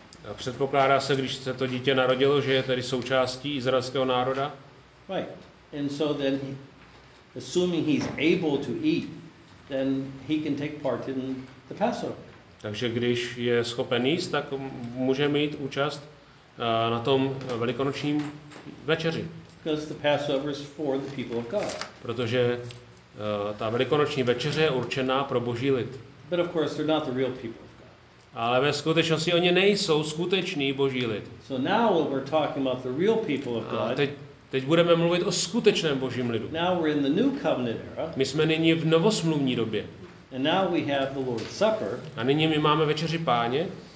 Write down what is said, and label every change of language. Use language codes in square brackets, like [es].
[cs] A předpokládá se, když se to dítě narodilo, že je tedy součástí izraelského národa. [en] Right. And so then, assuming he's able to eat, then he can take part in the Passover. [cs] Takže když je schopen jíst, tak může mít účast na tom velikonočním večeři. [en] Because the Passover is for the people of God. [cs] Protože ta velikonoční večeře je určená pro Boží lid. [en] But of course they're not the real people of God. [cs] Ale ve skutečnosti oni nejsou skutečný Boží lid. [en] So now we're talking about the real people of God. [cs] Teď budeme mluvit o skutečném Božím lidu. [en] Now we're in the new covenant era. [cs] My jsme nyní v novosmluvní době. [en] And now we have the Lord's Supper. [cs] A nyní my máme večeři Páně.